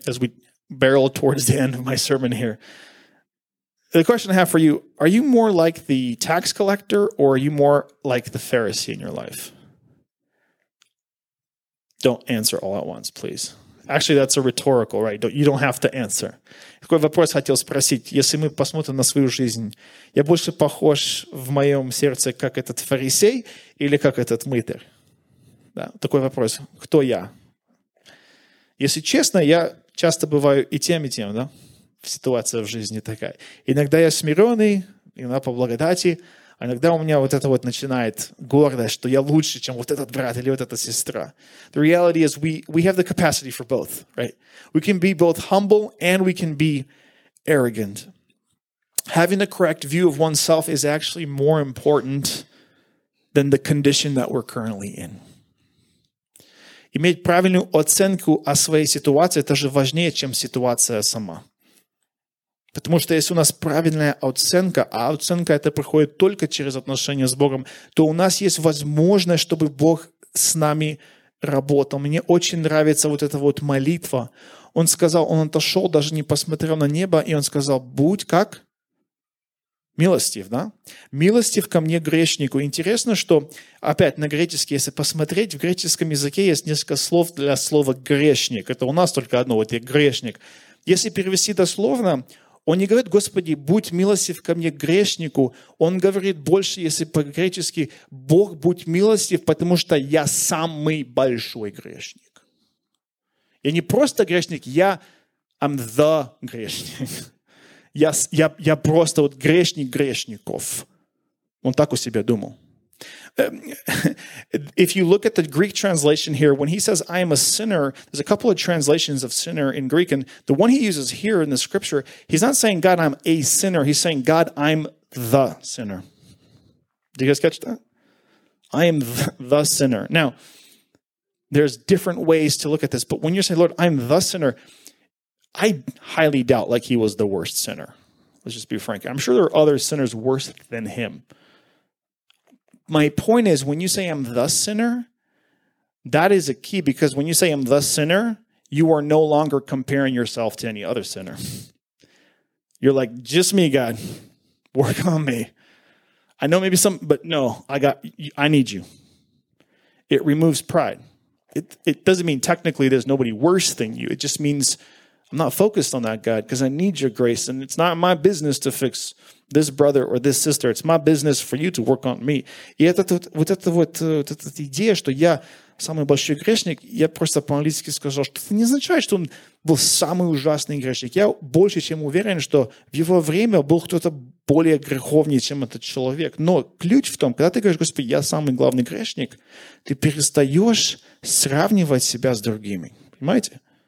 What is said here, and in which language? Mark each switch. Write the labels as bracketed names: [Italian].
[English] As we barrel towards the end of my sermon here. The question I have for you, are you more like the tax collector or are you more like the Pharisee in your life? Don't answer all at once, please. Actually, that's a rhetorical, right? You don't have to answer. [Russian] Какой вопрос хотел спросить? Если мы посмотрим на свою жизнь, я больше похож в моем сердце как этот фарисей или как этот мытарь? Да, такой вопрос. Кто я? Если честно, я часто бываю и тем, да? Ситуация в жизни такая. Иногда я смиренный, иногда по благодати. Иногда у меня вот это вот начинает гордость, что я лучше, чем вот этот брат или вот эта сестра. [English] The reality is we have the capacity for both, right? We can be both humble and we can be arrogant. Having the correct view of oneself is actually more important than the condition that we're currently in. [Russian] Иметь правильную оценку о своей ситуации, это же важнее, чем ситуация сама. Потому что если у нас правильная оценка, а оценка это проходит только через отношения с Богом, то у нас есть возможность, чтобы Бог с нами работал. Мне очень нравится вот эта вот молитва. Он сказал, он отошел, даже не посмотрел на небо, и он сказал, будь как? Милостив, да? Милостив ко мне грешнику. Интересно, что опять на греческий, если посмотреть, в греческом языке есть несколько слов для слова грешник. Это у нас только одно, вот я грешник. Если перевести дословно, он не говорит, Господи, будь милостив ко мне, грешнику. Он говорит больше, если по-гречески, Бог, будь милостив, потому что я самый большой грешник. Я не просто грешник, [English] I'm the [Russian] грешник. Я просто вот грешник грешников. Он так у себя думал. [English] If you look at the Greek translation here, when he says, I am a sinner, there's a couple of translations of sinner in Greek, and the one he uses here in the scripture, he's not saying, God, I'm a sinner. He's saying, God, I'm the sinner. Did you guys catch that? I am the sinner. Now, there's different ways to look at this, but when you say, Lord, I'm the sinner, I highly doubt like he was the worst sinner. Let's just be frank. I'm sure there are other sinners worse than him. My point is, when you say I'm the sinner, that is a key because when you say I'm the sinner, you are no longer comparing yourself to any other sinner. You're like, just me, God. Work on me. I know maybe some, but no, I need you. It removes pride. It doesn't mean technically there's nobody worse than you. It just means I'm not focused on that, God, because I need your grace. And it's not my business to fix this brother or this sister. It's my business for you to work on me. [Russian] И эта идея, что я самый большой грешник, я просто по-английски сказал, что это не означает, что он был самый ужасный грешник. Я больше чем уверен, что в его время был кто-то более греховнее, чем этот человек. Но ключ в том, когда ты говоришь, Господи, я самый главный грешник, ты перестаешь сравнивать себя с другими. Понимаете?